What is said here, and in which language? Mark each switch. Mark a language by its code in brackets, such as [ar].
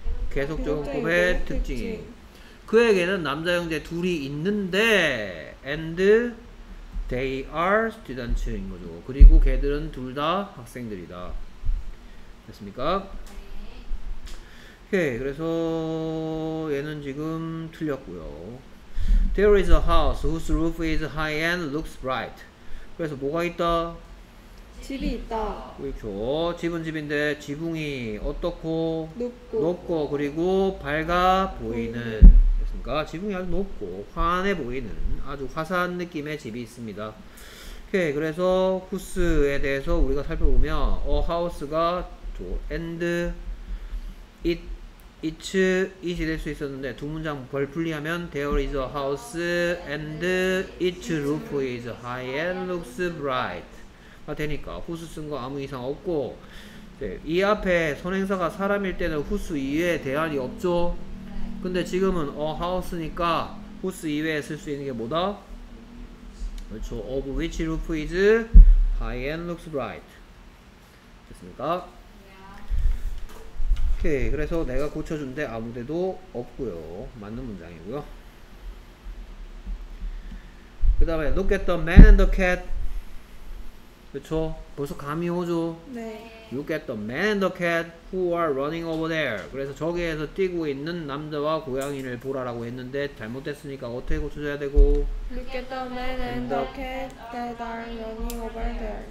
[ko] 계속적용법의 특징이. 그에게는 남자 형제 둘이 있는데 [en] and they are students [ko] 인 거죠. 그리고 걔들은 둘 다 학생들이다. 됐습니까? 네. 오케이. 그래서 얘는 지금 틀렸고요. [en] There is a house whose roof is high and looks bright. [ko] 그래서 뭐가 있다? 집이 있다. 그렇죠. 집은 집인데 지붕이 어떻고 높고, 높고 그리고 밝아 보이는. 그러니까 지붕이 아주 높고 환해 보이는 아주 화사한 느낌의 집이 있습니다. 오케이. 그래서 후스에 대해서 우리가 살펴보면 a house가 and it, it's 이 될 수 있었는데 두 문장 별 분리하면 [en] there is a house and its roof is high and looks bright [ko] 가 되니까 후스 쓴 거 아무 이상 없고 네, 이 앞에 선행사가 사람일 때는 후스 이외에 대안이 없죠. 근데 지금은 a house니까 whose 이외에 쓸 수 있는 게 뭐다? 그렇죠. [en] of which roof is high and looks bright. [ko] 됐습니까? 오케이. 그래서 내가 고쳐준 데 아무 데도 없고요. 맞는 문장이고요. 그 다음에 [en] look at the man and the cat. [ko] 그렇죠. 벌써 감이 오죠? 네. [en] Look at the man and the cat who are running over there. [ko] 그래서 저기에서 뛰고 있는 남자와 고양이를 보라라고 했는데 잘못됐으니까 어떻게 고쳐줘야 되고? [en] Look at the man and the cat that are running over there.